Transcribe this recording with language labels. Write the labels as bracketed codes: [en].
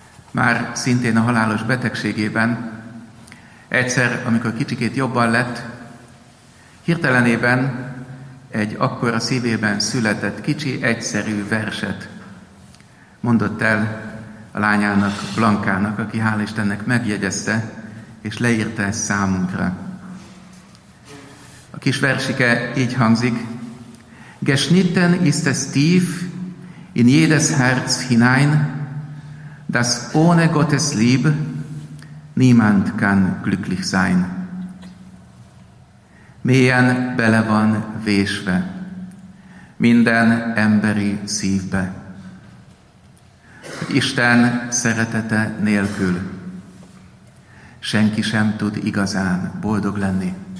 [hu] Már szintén a halálos betegségében, egyszer, amikor kicsikét jobban lett, hirtelenében egy akkora szívében született kicsi, egyszerű verset mondott el a lányának, Blankának, aki hál' Istennek megjegyezte, és leírta ezt számunkra. A kis versike így hangzik. [de] Geschnitten ist es tief in jedes Herz hinein, das ohne Gottes lieb niemand kann glücklich sein. [hu] Mélyen bele van vésve minden emberi szívbe. Isten szeretete nélkül senki sem tud igazán boldog lenni.